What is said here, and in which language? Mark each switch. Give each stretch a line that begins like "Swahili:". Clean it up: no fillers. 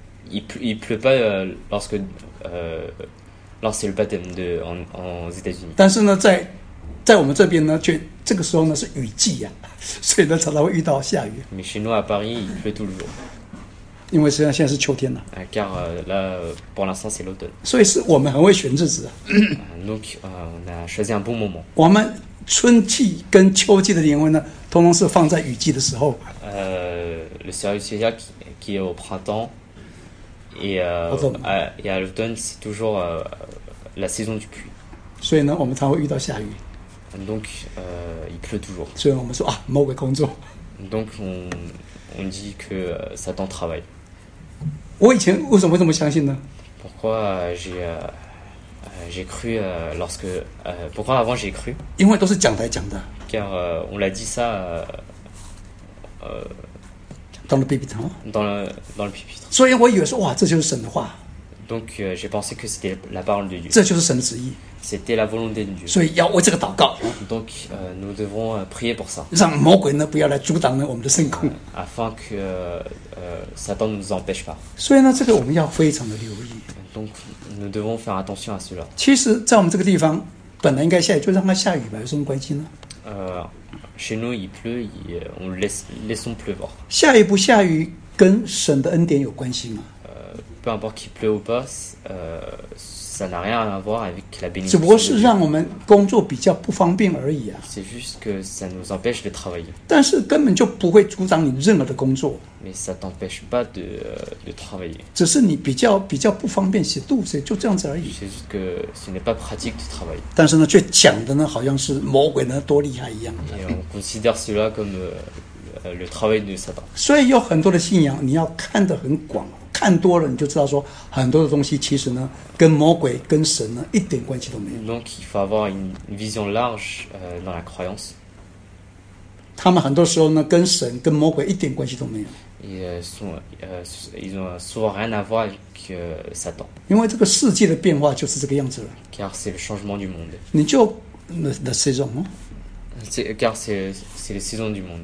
French: Il pleut pas lorsque c'est le baptême en États-Unis.
Chinese: 但是呢，在我们这边呢，却这个时候呢是雨季呀、啊，所以呢常常会遇到下雨。
French: Mais chez nous à Paris, il pleut toujours.
Chinese: 因为实际上现在是秋天了。
French: Car là, pour l'instant, c'est l'automne.
Chinese: 所以是我们很会选日子。
French: Donc, on a choisi un bon moment.
Chinese: 我们春季跟秋季的灵恩呢，通常是放在雨季的时候。
French: Le service spécial qui est au printemps. Et à l'automne, c'est toujours la saison du pluie.
Chinese: 所以呢，我们常会遇到下雨。
French: Donc, il pleut toujours.
Chinese: 所以我们说啊，魔鬼工作。
French: Donc, on dit que Satan travaille.
Chinese: 我以前为什么这么相信呢
French: ？Pourquoi j'ai cru lorsque pourquoi avant j'ai cru？
Chinese: 因为都是讲台讲的。
French: Car on l'a dit ça. Dans le pupitre. Dans le pupitre.
Chinese: 所以我以为说哇，这就是神的话。
French: Donc j'ai pensé que c'était la parole de Dieu.
Chinese: 这就是神的旨意。
French: C'était la volonté de Dieu.
Chinese: 所以要为这个祷告。
French: Donc nous devons prier pour ça.
Chinese: 让魔鬼呢不要来阻挡呢我们的圣空。
French: Afin que Satan ne nous empêche pas.
Chinese: 所以呢，这个我们要非常的留意。
French: Donc nous devons faire attention à cela.
Chinese: 其实，在我们这个地方，本来应该下雨，就让它下雨吧，有什么关系呢？
French: Chez nous, il pleut, on laissons pleuvoir.
Chinese: 下雨不下雨跟神的恩典有关系吗？
French: Peu importe qu'il pleut ou pas, ça n'a rien à voir avec la bénédiction.
Chinese: 只不过是让我们工作比较不方便而已啊。
French: C'est juste que ça nous empêche de travailler.
Chinese: 但是根本就不会阻挡你任何的工作。
French: Mais ça t'empêche pas de travailler.
Chinese: 只是你比较不方便，写肚子就这样子而已。
French: C'est juste que ce n'est pas pratique de travailler.
Chinese: 但是呢，却讲的呢，好像是魔鬼呢多厉害一样。
French: Et on considère cela comme le travail de Satan.
Chinese: 所以有很多的信仰，你要看得很广。看多了你就知道说很多的东西其实呢跟魔鬼跟神呢一点关系都没有。
French: Donc il faut avoir une vision large dans la croyance.
Chinese: 他们很多时候呢跟神跟魔鬼一点关系都没有。
French: Ils ont souvent rien à voir avec Satan.
Chinese: 因为这个世界的变化就是这个样子了。
French: Car c'est le changement du monde.
Chinese: 你就
French: la saison, hein? Car c'est la saison du monde.